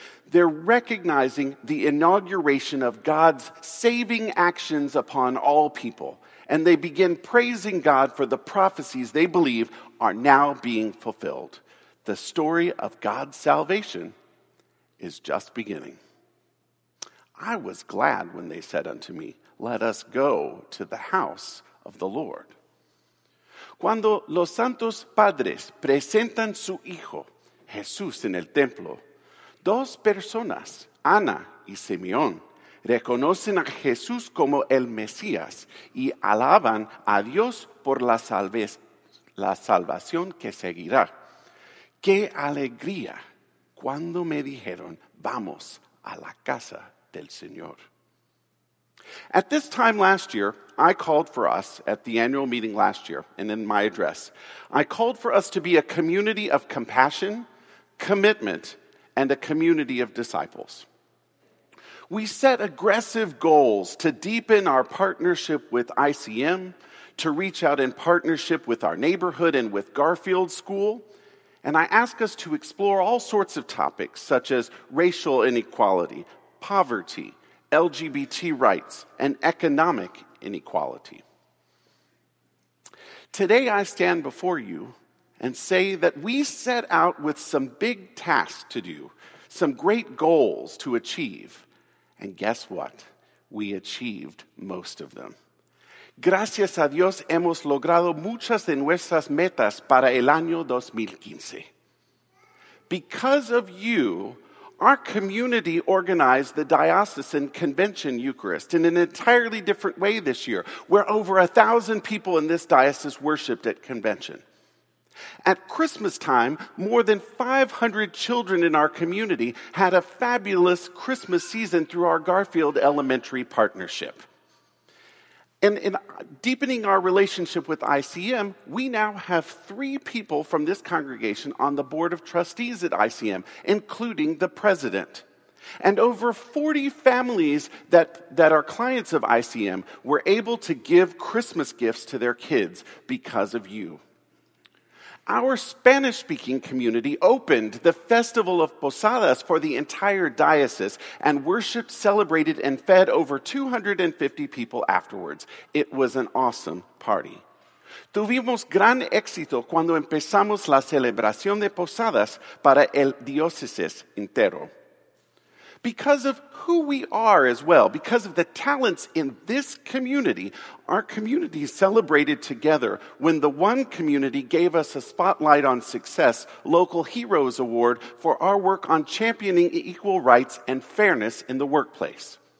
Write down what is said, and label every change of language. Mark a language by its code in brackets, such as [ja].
[en] They're recognizing the inauguration of God's saving actions upon all people, and they begin praising God for the prophecies they believe are now being fulfilled. The story of God's salvation is just beginning. "I was glad when they said unto me, 'Let us go to the house of the Lord.'" [es] Cuando los santos padres presentan su hijo, Jesús, en el templo, dos personas, Ana y Simeón, reconocen a Jesús como el Mesías y alaban a Dios por la salvación que seguirá. ¡Qué alegría! Cuando me dijeron, vamos a la casa del Señor. [en] At this time last year, I called for us at the annual meeting last year, and in my address, I called for us to be a community of compassion, commitment, and a community of disciples. We set aggressive goals to deepen our partnership with ICM, to reach out in partnership with our neighborhood and with Garfield School, and I ask us to explore all sorts of topics such as racial inequality, poverty, LGBT rights, and economic inequality. Today I stand before you and say that we set out with some big tasks to do, some great goals to achieve, and guess what? We achieved most of them. [es] Gracias a Dios hemos logrado muchas de nuestras metas para el año 2015. [en] Because of you, our community organized the Diocesan Convention Eucharist in an entirely different way this year, where over 1,000 people in this diocese worshiped at convention. At Christmas time, more than 500 children in our community had a fabulous Christmas season through our Garfield Elementary partnership. And in deepening our relationship with ICM, we now have 3 people from this congregation on the board of trustees at ICM, including the president. And over 40 families that are clients of ICM were able to give Christmas gifts to their kids because of you. Our Spanish-speaking community opened the Festival of Posadas for the entire diocese and worshiped, celebrated, and fed over 250 people afterwards. It was an awesome party. [es] Tuvimos gran éxito cuando empezamos la celebración de Posadas para el diócesis entero. [en] Because of who we are as well, because of the talents in this community, our community celebrated together when the One Community gave us a Spotlight on Success Local Heroes Award for our work on championing equal rights and fairness in the workplace.